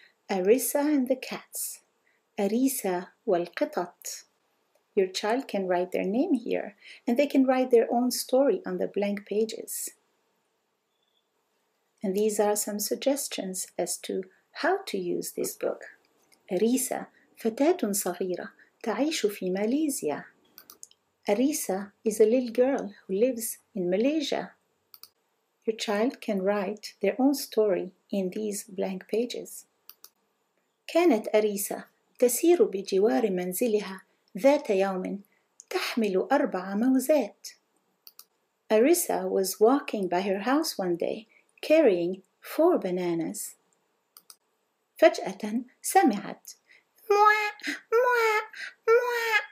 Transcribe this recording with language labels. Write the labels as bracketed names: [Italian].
[English] Aryssa and the cats. [Arabic] Aryssa والقطط. [English] Your child can write their name here, and they can write their own story on the blank pages. And these are some suggestions as to how to use this book. [Arabic] Aryssa, فتاة صغيرة تعيش في ماليزيا. [English] Aryssa is a little girl who lives in Malaysia. Your child can write their own story in these blank pages. [Arabic] كانت أريسا تسير بجوار منزلها ذات يوم تحمل أربع موزات. [English] Arisa was walking by her house one day, carrying four bananas. [Arabic] فجأة سمعت موا موا موا.